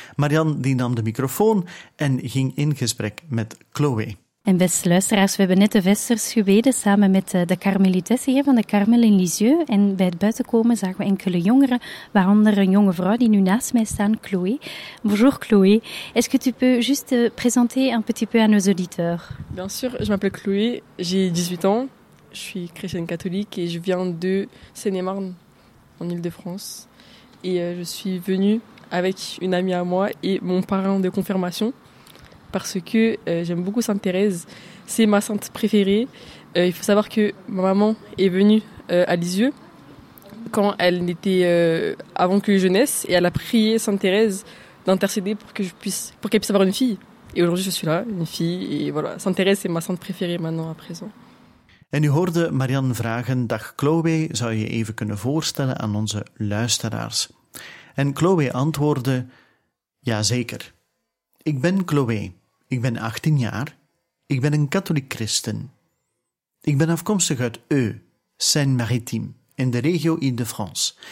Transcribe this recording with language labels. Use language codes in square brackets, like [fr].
[nl] Marianne die nam de microfoon en ging in gesprek met Chloe. En beste luisteraars, we hebben net de Vespers gebeden samen met de Karmelitessen hier van de Karmel in Lisieux. En bij het buitenkomen zagen we enkele jongeren, waaronder een jonge vrouw die nu naast mij staat, Chloé. [fr] Bonjour Chloé. Est-ce que tu peux juste présenter un petit peu à nos auditeurs? Bien sûr, je m'appelle Chloé, j'ai 18 ans, je suis chrétienne catholique et je viens de Seine-et-Marne, en Ile-de-France. Et je suis venue avec une amie à moi et mon parrain de confirmation. Parce que j'aime beaucoup Sainte Thérèse, c'est ma sainte préférée. Il faut savoir que ma maman est venue à Lisieux quand elle était avant que je naisse et elle a prié Sainte Thérèse d'intercéder pour que je puisse, pour qu'elle puisse avoir une fille. Et aujourd'hui je suis là, une fille et voilà. Sainte Thérèse c'est ma sainte préférée maintenant à présent. [nl] En u hoorde Marianne vragen: dag Chloé, zou je even kunnen voorstellen aan onze luisteraars? En Chloé antwoordde: ja zeker. Ik ben Chloé, ik ben 18 jaar, ik ben een katholiek christen. Ik ben afkomstig uit Eu, Seine-Maritime, in de regio Ile-de-France.